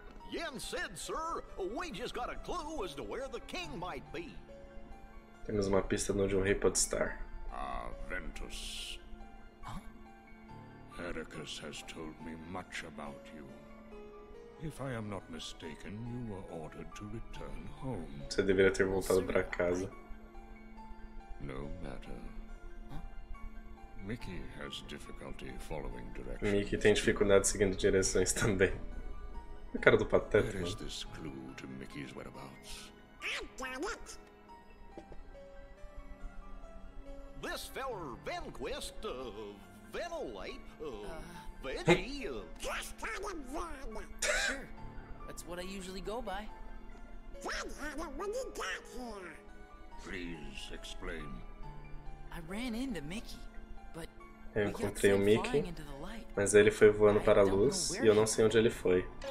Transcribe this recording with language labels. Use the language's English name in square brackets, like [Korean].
[English] Yen said, sir, we just got a clue as to where the king might be. [Portuguese] Temos uma pista de onde um rei pode estar. [English] Ah, Ventus. Huh? Hericus has told me much about you. If I am not mistaken, you were ordered to return home. [Portuguese] Você deveria ter voltado para casa. [English] No matter. Mickey has difficulty following directions. [Portuguese] Mickey tem dificuldade seguindo direções também. A cara do Pateta, mano. [English] Where is this clue to Mickey's whereabouts? I've got it. This feller Venquist, Venolite, Veggie, Just call him Ven. Sure, that's what I usually go by. Ven had it when he got here. Please explain. I ran into Mickey. [Portuguese] Eu encontrei o Mickey, mas ele foi voando para a luz e eu não sei onde ele foi.